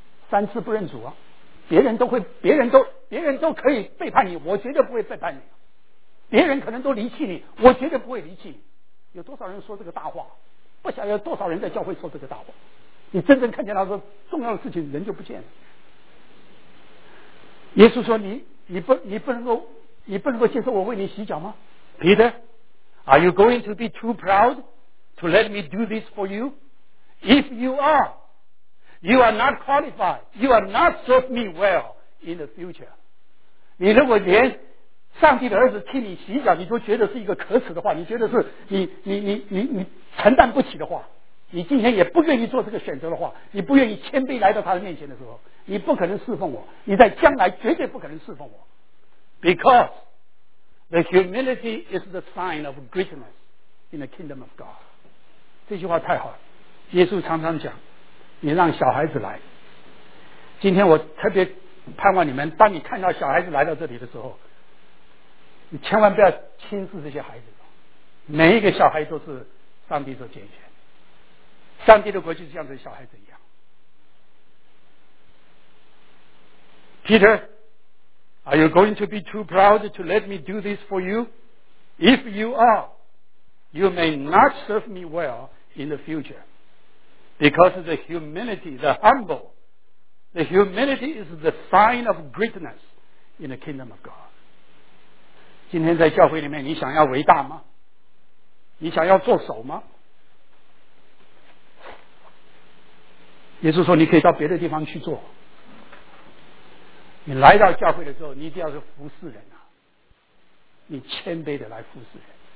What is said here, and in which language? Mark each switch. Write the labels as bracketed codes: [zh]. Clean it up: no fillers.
[zh] 三次不认主啊，别人都可以背叛你，我绝对不会背叛你，别人可能都离弃你，我绝对不会离弃你。有多少人说这个大话？不晓得有多少人在教会说这个大话。你真正看见他说重要的事情，人就不见了。耶稣说你不能够接受我为你洗脚吗？ [en] Peter, are you going to be too proud to let me do this for you? If you are, you are not qualified, you are not serve me well in the future. [zh] 你如果连上帝的儿子替你洗脚你都觉得是一个可耻的话，你觉得是你承担不起的话，你今天也不愿意做这个选择的话，你不愿意谦卑来到他的面前的时候，你不可能侍奉我，你在将来绝对不可能侍奉我。 [en] Because the humility is the sign of greatness in the kingdom of God. [zh] 这句话太好了。耶稣常常讲，你让小孩子来。今天我特别盼望你们，当你看到小孩子来到这里的时候，你千万不要轻视这些孩子。每一个小孩都是上帝所拣选。上帝的国就是像这小孩子一样。 [en] Peter, are you going to be too proud to let me do this for you? If you are, you may not serve me well in the future. Because the humility, the humble, the humility is the sign of greatness in the kingdom of God. [zh] 今天在教会里面，你想要伟大吗？你想要做首吗？耶稣说你可以到别的地方去做，你来到教会的时候你一定要是服侍人啊，你谦卑的来服侍人。